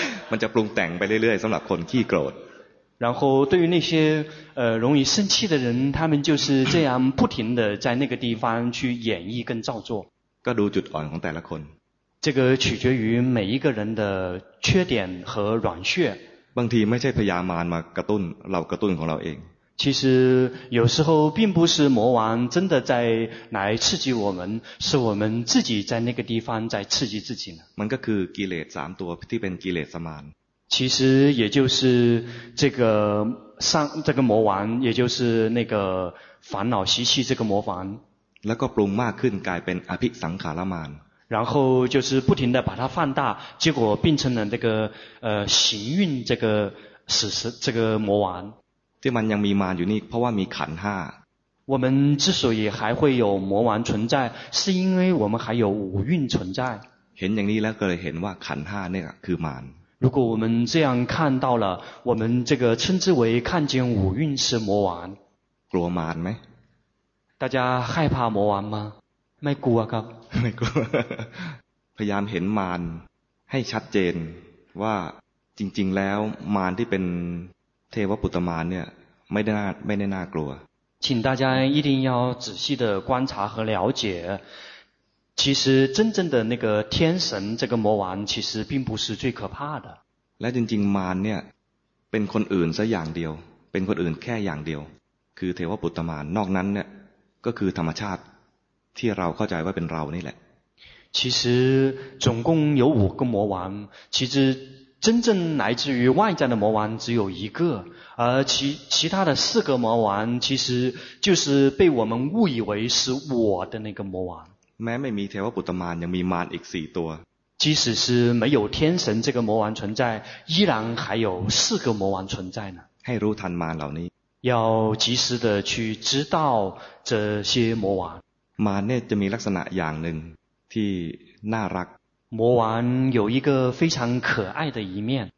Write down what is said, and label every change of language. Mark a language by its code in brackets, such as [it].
[th] มันจะปรุงแต่งไปเรื่อยๆสำหรับคนขี้โกรธ [zh] 然后对于那些容易生气的人他们就是这样不停的在那个地方去演绎跟照做 [th] ก็ดูจุดอ่อนของแต่ละคน [zh] 这个取决于每一个人的缺点和软穴 [th] บางทีไม่ใช่พยามารมากระตุ้นเรากระตุ้นของเราเอง [zh] 其实有时候并不是魔王真的在来刺激我们是我们自己在那个地方在刺激自己呢 [th] มันก็คือกิเลส3ตัวที่เป็นกิเลสมาร [zh] 其实也就是这个魔王也就是那个烦恼习气这个魔王 [th] แล้วก็ปรุงมากขึ้นกลายเป็นอภิสังขารมาร [zh] 然后就是不停的把它放大结果变成了那个行运这个魔王 [th] ที่มันยังมีมารอยู่นี่เพราะว่ามีขันห้า [zh] 我们之所以还会有魔王存在是因为我们还有五蕴存在 [th] เห็นอย่างนี้แล้วก็เลยเห็นว่าขันห้านี่คือมาร [zh] 如果我们这样看到了我们这个称之为看见五蕴是魔王 [th] กลัวมารไหม [zh] 大家害怕魔王吗 [th] ไม่กลัวครับ ไม่กลัวพยายามเห็นมารให้ชัดเจนว่าจริงๆแล้วมารที่เป็นเทวปุตตมารเนี่ยไม่ได้น่ากลัว [zh] 请大家一定要仔细的观察和了解其实真正的那个天神这个魔王其实并不是最可怕的 [th] และจริงๆมารเนี่ยเป็นคนอื่นซะอย่างเดียวเป็นคนอื่นแค่อย่างเดียวคือเทวปุตตมารนอกนั้นเนี่ยก็คือธรรมชาติที่เราเข้าใจว่าเป็นเรานี่แหละ [zh] 其实总共有五个魔王其实真正来自于外在的魔王只有一个而其他的四个魔王其实就是被我们误以为是我的那个魔王 [th] แม้ไม่มีเทวปุตตมารยังมีมารอีก4ตัว [zh] 即使是没有天神这个魔王存在依然还有四个魔王存在呢 [th] ให้รู้ทันมารเหล่านี้ [zh] 要及时的去知道这些魔王。 [th] มารเนี่ยจะมีลักษณะอย่างหนึ่งที่น่ารัก。 [zh] 魔王有一个非常可爱的一面。